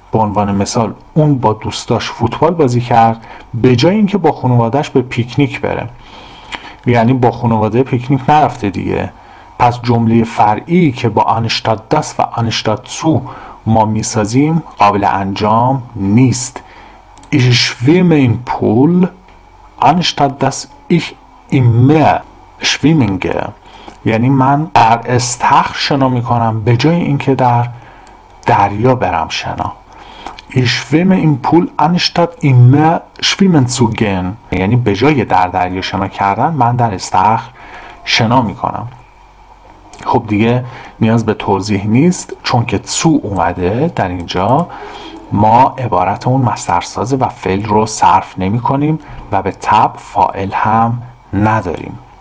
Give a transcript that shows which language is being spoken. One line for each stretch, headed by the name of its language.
Persian: به عنوان مثال اون با دوستاش فوتبال بازی کرد به جای اینکه با خانواده‌اش به پیکنیک بره. یعنی با خانواده پیکنیک نرفته دیگه. پس جمله فرعی که با
German: anstatt das
Persian: و
German: anstatt zu
Persian: ما میسازیم قابل انجام نیست.
German: Ich schwimme im Pool anstatt dass ich im Meer schwimme.
Persian: یعنی من در استخر شنا می کنم به جای اینکه در دریا برم شنا.
German: Ich schwimme im Pool anstatt im Meer schwimmen zu gehen.
Persian: یعنی به جای در دریا شنا کردن من در استخر شنا می کنم. خب دیگه نیاز به توضیح نیست، چون که تو اومده در اینجا ما عبارتمون مصدر سازه و فعل رو صرف نمی کنیم و به تبع فاعل هم نداریم.